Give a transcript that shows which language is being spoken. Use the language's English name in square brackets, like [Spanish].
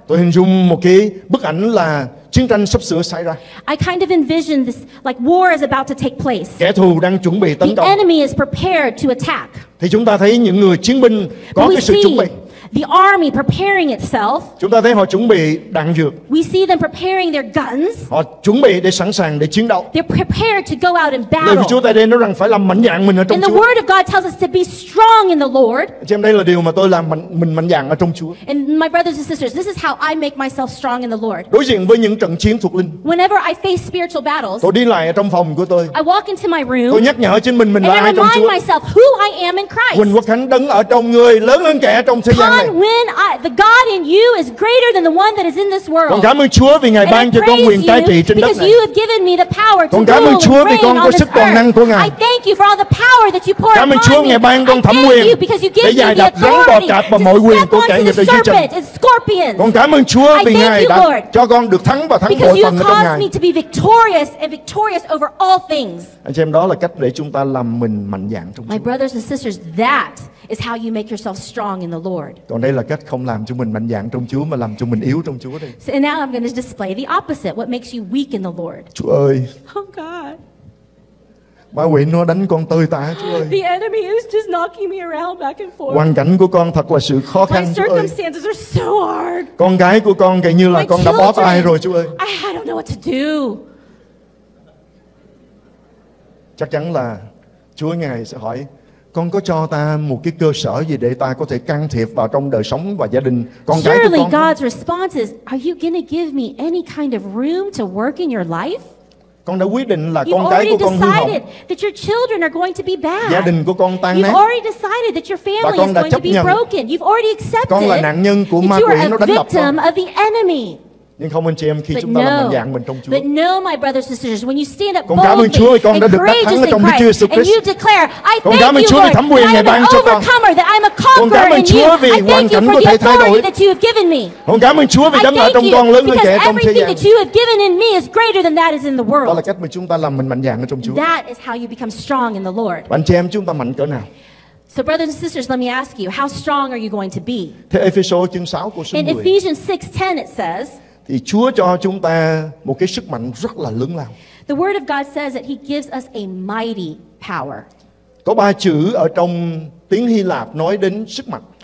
[Vietnamese] Tôi hình dung một cái bức ảnh là chiến tranh sắp sửa xảy ra. [English] I kind of envision this like war is about to take place. [Vietnamese] Kẻ thù đang chuẩn bị tấn công. [English] The enemy is prepared to attack. [Vietnamese] Thì chúng ta thấy những người chiến binh có cái sự chuẩn bị. [English] The army preparing itself. [Vietnamese] Chúng ta thấy họ chuẩn bị đạn dược. [English] We see them preparing their guns. [Vietnamese] Họ chuẩn bị để sẵn sàng để chiến đấu. [English] They're prepared to go out and battle. [Vietnamese] Lời Chúa tại đây nói rằng phải làm mạnh dạn mình ở trong [English] and [Vietnamese] Chúa. [English] The word of God tells us to be strong in the Lord. [Vietnamese] Chị em, đây là điều mà tôi làm mình mạnh dạn ở trong Chúa. [English] And my brothers and sisters, this is how I make myself strong in the Lord. [Vietnamese] Đối diện với những trận chiến thuộc linh. [English] Whenever I face spiritual battles. [Vietnamese] Tôi đi lại ở trong phòng của tôi. [English] I walk into my room. [Vietnamese] Tôi nhắc nhở chính mình là ai trong Chúa. [English] And I remind myself who I am in Christ. [Vietnamese] Quyền quốc thánh đứng ở trong người lớn hơn kẻ trong thế gian. [English] When the God in you is greater than the one that is in this world. [Vietnamese] Con cảm ơn Chúa vì Ngài ban cho con quyền cai trị trên đất này. [English] Because you have given me the power to rule and reign on this earth. [Vietnamese] Con cảm ơn Chúa vì con có sức toàn năng của Ngài. [English] I thank you for all the power that you pour upon me. [Vietnamese] Cảm ơn Chúa Ngài ban con thẩm quyền để giải đáp rắn, bò cạp và mọi quyền của kẻ nghịch đời dưới trần. Con cảm ơn Chúa vì Ngài đã cho con được thắng và thắng mọi phần ở trong Ngài. [English] Because you caused me to be victorious and victorious over all things. [Vietnamese] Anh chị em, đó là cách để chúng ta làm mình mạnh dạn trong Chúa. [English] My brothers and sisters, that is how you make yourself strong in the Lord. [Vietnamese] Còn đây là cách không làm cho mình mạnh dạn trong Chúa mà làm cho mình yếu trong Chúa đi. [English] So now I'm going to display the opposite, what makes you weak in the Lord. [Vietnamese] Chúa ơi. [English] Oh God. [Vietnamese] Ma quỷ nó đánh con tơi tả, Chúa ơi. [English] The enemy is just knocking me around back and forth. [Vietnamese] Hoàn cảnh của con thật là sự khó khăn, [English] my circumstances [Vietnamese] Chúa ơi. [English] Are so hard. [Vietnamese] Con gái của con kể như là [English] my [Vietnamese] con đã bó tay rồi, Chúa ơi. [English] I don't know what to do. [Vietnamese] Chắc chắn là Chúa Ngài sẽ hỏi con có cho ta một cái cơ sở gì để ta có thể can thiệp vào trong đời sống và gia đình con cái của con. [English] God's response is, are you going to give me any kind of room to work in your life? [Vietnamese] Con đã quyết định là con cái của con hư hỏng. [English] That your children are going to be bad. [Vietnamese] Gia đình của con tan nát. [English] You've already decided that your family is going to be broken. You've already accepted. [Vietnamese] Con là nạn nhân của ma quỷ, nó đánh đập con. [English] Of the enemy. [Vietnamese] Nhưng không anh chị em, khi chúng ta làm mạnh dạn mình trong Chúa. [English] But no, my brothers and sisters, when you stand up boldly, [Vietnamese] cảm ơn Chúa vì con đã được đắc thắng trong Đức Chúa Jesus Christ. [English] And you declare, I thank you, Lord, that I'm an overcomer, that I'm a conqueror in you. I thank you for the authority that you have given me. [Vietnamese] Con cảm ơn Chúa vì hoàn cảnh có thể thay đổi. Con cảm ơn Chúa vì đấng ở trong con lớn hơn kẻ trong thế gian. [English] Everything that you have given in me is greater than that is in the world. [Vietnamese] Đó là cách mà chúng ta làm mình mạnh dạn trong Chúa. [English] That is how you become strong in the Lord. [Vietnamese] Anh chị em, chúng ta mạnh cỡ nào? [English] So brothers and sisters, let me ask you, how strong are you going to be? [Vietnamese] Thế Ephesians chương 6 câu 10. [English] In Ephesians 6:10 it says, [Vietnamese] thì Chúa cho chúng ta một cái sức mạnh rất là lớn lao. [English] The word of God says that he gives us a mighty power. [Vietnamese] Có ba chữ ở trong tiếng Hy Lạp nói đến sức mạnh.